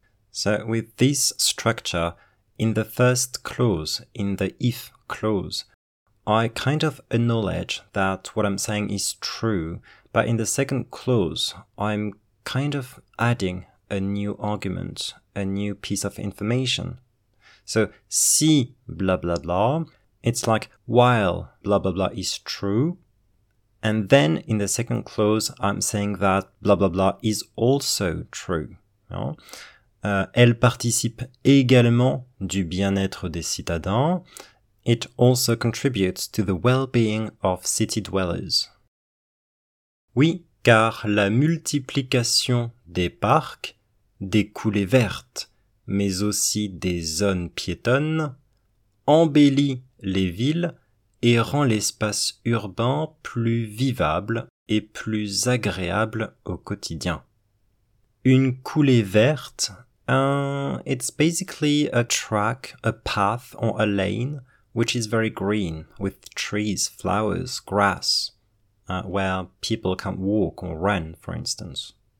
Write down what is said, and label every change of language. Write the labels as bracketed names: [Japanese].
[English] So with this structure, in the first clause, in the if clause, I kind of acknowledge that what I'm saying is true, but in the second clause, I'm kind of adding a new argument, a new piece of information. So, si blah blah blah, it's like while blah blah blah is true, and then in the second clause, I'm saying that blah blah blah is also true. No? [French] Elle participe également du bien-être des citadins. [English] It also contributes to the well-being of city dwellers. [French] Oui, car la multiplication des parcs, des coulées vertes, mais aussi des zones piétonnes, embellit les villes et rend l'espace urbain plus vivable et plus agréable au quotidien. [English] Une coulée verte, it's basically a track, a path or a lane, which is very green, with trees, flowers, grass, where people can walk or run, for instance.